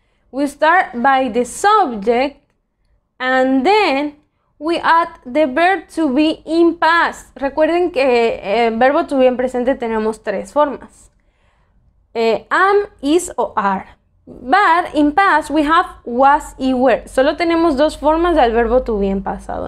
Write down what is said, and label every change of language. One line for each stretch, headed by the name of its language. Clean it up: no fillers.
English: We start by the subject and then we add the verb to be in past.
Spanish: Recuerden que verbo to be en presente tenemos tres formas.
English: Am, is o are. But in past we have was y were.
Spanish: Solo tenemos dos formas del verbo to be en pasado.